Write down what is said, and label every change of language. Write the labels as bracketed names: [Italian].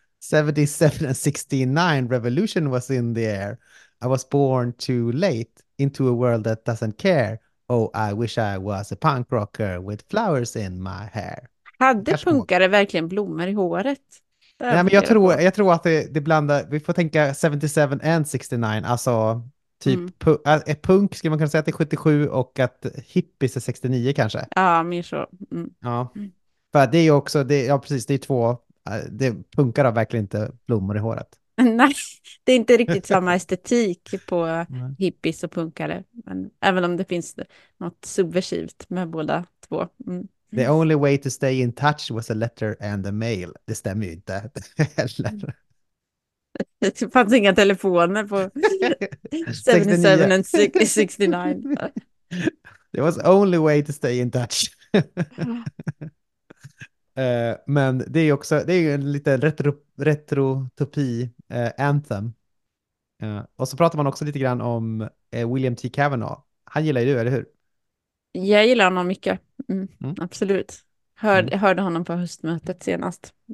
[English] 77 and 69, revolution was in the air. I was born too late into a world that doesn't care. Oh, I wish I was a punk rocker with flowers in my hair. [Swedish] Du Hade kanske kommer ihåg. punkare verkligen blommor i håret? Det har jag Nej, men funderat på. jag tror att det blandar. Vi får tänka [English] 77 and 69, [Swedish] alltså. Typ punk skulle man kunna säga att det är 77 och att hippies är 69 kanske. Ja, mer så. Ja, för det är ju också, det, ja precis, det är två, det punkar har verkligen inte blommor i håret. Nej, det är inte riktigt samma Nej. estetik på hippies och punkare. Men även om det finns något subversivt med båda två. [English] The only way to stay in touch was a letter and a mail. [Swedish] Det stämmer ju inte heller. Det fanns inga telefoner på 69. [English] 77 and 69. It was only way to stay in touch. [Swedish] Men det är också, det är en liten retrotopi anthem. Och så pratar man också lite grann om William T. Kavanaugh. Han gillar ju du, eller hur? Jag gillar honom mycket. Absolut. Hörde honom på höstmötet senast.